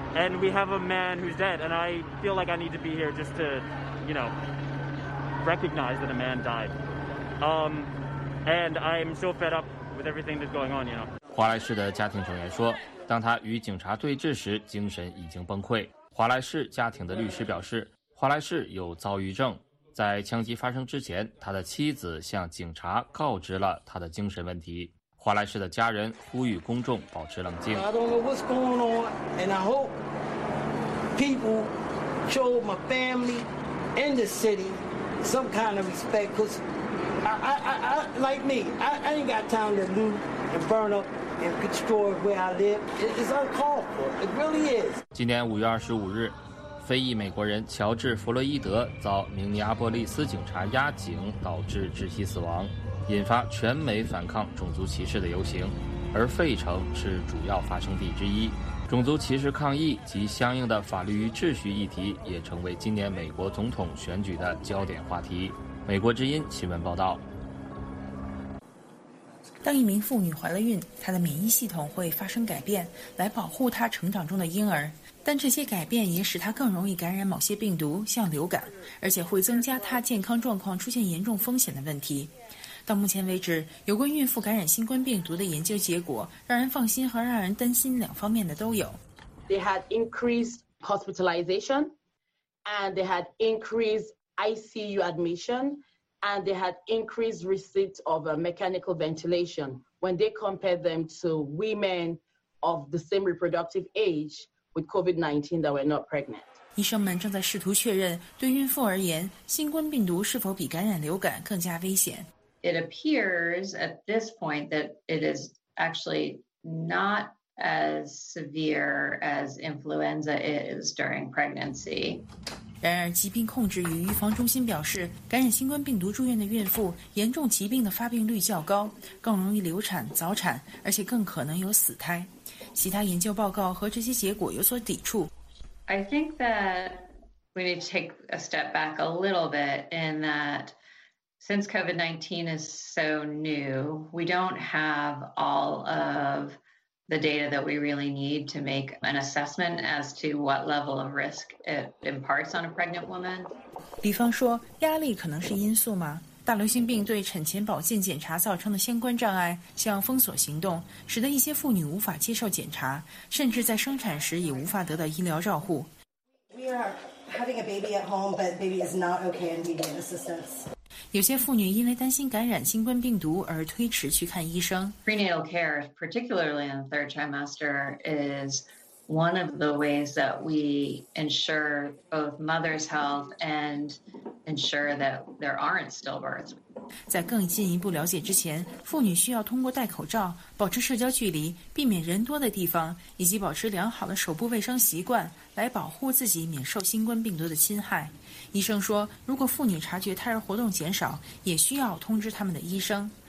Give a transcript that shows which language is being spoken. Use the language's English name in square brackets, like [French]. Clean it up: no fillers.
[English] And we have a man who's dead, and I feel like I need to be here just to, you know, recognize that a man died. And I'm so fed up with everything that's going on, you know. [Chinese] 华莱士的家庭成员说，当他与警察对峙时，精神已经崩溃。华莱士家庭的律师表示，华莱士有躁郁症。在枪击发生之前，他的妻子向警察告知了他的精神问题。华莱士的家人呼吁公众保持冷静。 [English] I don't know what's going on, and I hope people show my family and the city some kind of respect, because I ain't got time to loot and burn up and destroy where I live. It's uncalled for. It really is. [Chinese] 今年5月25日。非裔美国人乔治·弗洛伊德遭明尼阿波利斯警察压颈，导致窒息死亡，引发全美反抗种族歧视的游行，而费城是主要发生地之一。种族歧视抗议及相应的法律与秩序议题也成为今年美国总统选举的焦点话题。美国之音新闻报道。当一名妇女怀了孕，她的免疫系统会发生改变，来保护她成长中的婴儿，但这些改变也使她更容易感染某些病毒，像流感，而且会增加她健康状况出现严重风险的问题。到目前为止，有关孕妇感染新冠病毒的研究结果，让人放心和让人担心两方面的都有。 [English] They had increased hospitalization, and they had increased ICU admission, and they had increased receipt of a mechanical ventilation. When they compared them to women of the same reproductive age,With COVID-19 that were not pregnant. [Chinese] 医生们正在试图确认，对孕妇而言，新冠病毒是否比感染流感更加危险。 [English] It appears at this point that it is actually not as severe as influenza is during pregnancy. [Chinese] 然而，疾病控制与预防中心表示，感染新冠病毒住院的孕妇，严重疾病的发病率较高，更容易流产、早产，而且更可能有死胎。其他研究报告和这些结果有所抵触。 [English] I think that we need to take a step back a little bit in that since COVID-19 is so new, we don't have all of the data that we really need to make an assessment as to what level of risk it imparts on a pregnant woman. [Chinese] 比方说，压力可能是因素吗？大流行病对产前保健检查造成的相关障碍，像封锁行动，使得一些妇女无法接受检查，甚至在生产时也无法得到医疗照护。 [English] We are having a baby at home, but baby is not okay and needing assistance. [Chinese] 有些妇女因为担心感染新冠病毒而推迟去看医生。 [English] Prenatal care, particularly in the third trimester, is one of the ways that we ensure both mother's health and ensure that there aren't stillbirths. [Chinese] 在更进一步了解之前，妇女需要通过戴口罩、保持社交距离、避免人多的地方，以及保持良好的手部卫生习惯，来保护自己免受新冠病毒的侵害。医生说，如果妇女察觉胎儿活动减少，也需要通知他们的医生。